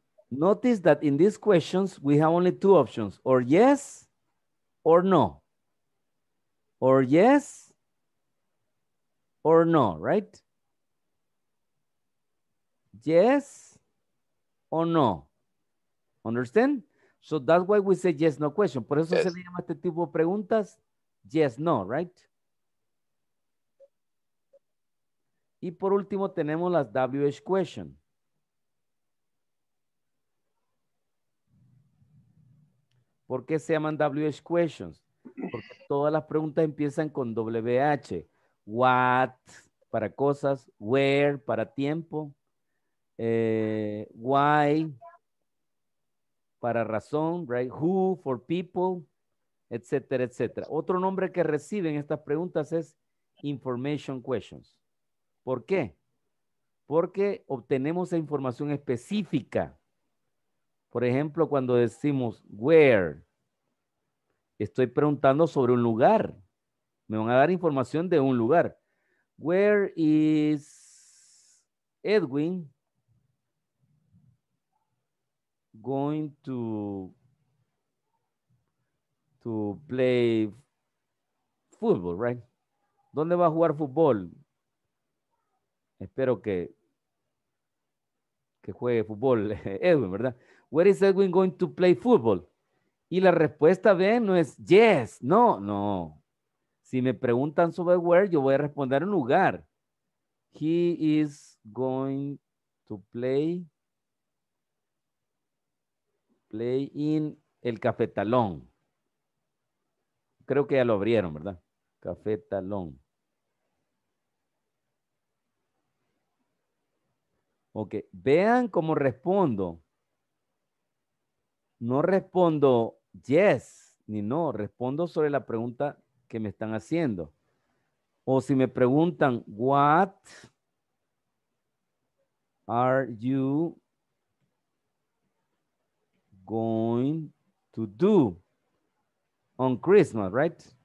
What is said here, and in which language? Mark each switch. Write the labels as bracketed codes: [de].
[en] Notice that in these questions, we have only two options, or yes, or no. Or yes, or no, right? Yes, or no. Understand? So that's why we say yes, no question. [es] Por eso yes. Se le llama este tipo de preguntas, yes, no, [en] right? [es] Y por último tenemos las WH question. ¿Por qué se llaman WH questions? Porque todas las preguntas empiezan con WH. What, para cosas. Where, para tiempo. Why, para razón. [en] Right? Who, for people, [es] etcétera, etcétera. Otro nombre que reciben estas preguntas es information questions. ¿Por qué? Porque obtenemos información específica. Por ejemplo, cuando decimos where, estoy preguntando sobre un lugar. Me van a dar información de un lugar. [en] Where is Edwin going to play football, right? [es] ¿Dónde va a jugar fútbol? Espero que juegue fútbol Edwin, ¿verdad? [en] Where is Edwin going to play football? [es] Y la respuesta, ven, no es yes, no, no. Si me preguntan sobre where, yo voy a responder un lugar. [en] He is going to play in [es] el Café Talón. Creo que ya lo abrieron, ¿verdad? Café Talón. Ok, vean cómo respondo. No respondo yes ni no, respondo sobre la pregunta que me están haciendo. O si me preguntan, [en] what are you going to do on Christmas, right?